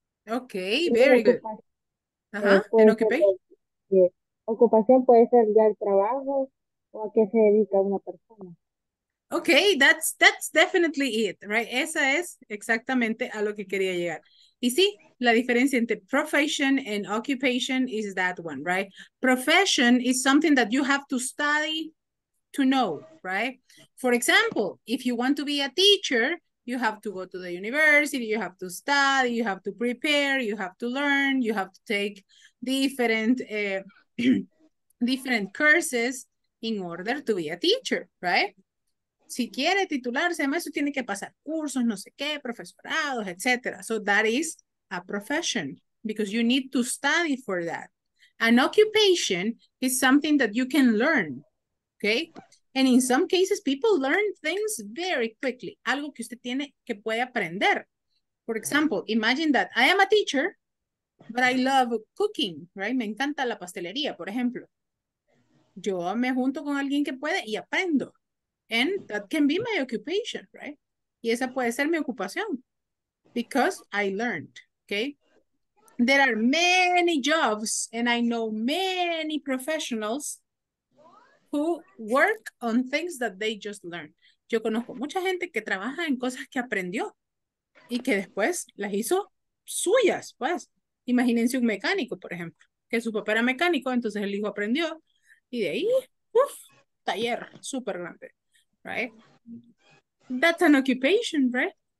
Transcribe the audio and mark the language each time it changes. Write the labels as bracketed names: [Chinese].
[English] Ok, very good. Ajá, ¿en occupation? [Spanish] Ser, ocupación puede ser ya el trabajo o a qué se dedica una persona. [English] Okay, that's definitely it, right? [Spanish] Esa es exactamente a lo que quería llegar. Y sí, la diferencia entre [English] profession and occupation is that one, right? Profession is something that you have to study to know, right? For example, if you want to be a teacher, you have to go to the university, you have to study, you have to prepare, you have to learn, you have to take different different courses in order to be a teacher, right? [Spanish] Si quiere titularse, además eso tiene que pasar cursos, no sé qué, profesorados, etc. [English] So that is a profession because you need to study for that. An occupation is something that you can learn, okay? And in some cases, people learn things very quickly. [Spanish] Algo que usted tiene que puede aprender. [English] For example, imagine that I am a teacher, but I love cooking, right? [Spanish] Me encanta la pastelería, por ejemplo. Yo me junto con alguien que puede y aprendo. [English] And that can be my occupation, right? [Spanish] Y esa puede ser mi ocupación. [English] Because I learned, okay? There are many jobs, and I know many professionals who work on things that they just learned. [Spanish] Yo conozco mucha gente que trabaja en cosas que aprendió y que después las hizo suyas, pues. Imagínense un mecánico, por ejemplo, que su papá era mecánico, entonces el hijo aprendió. Y de ahí, uf, taller súper grande. [English] Right, that's an occupation, right?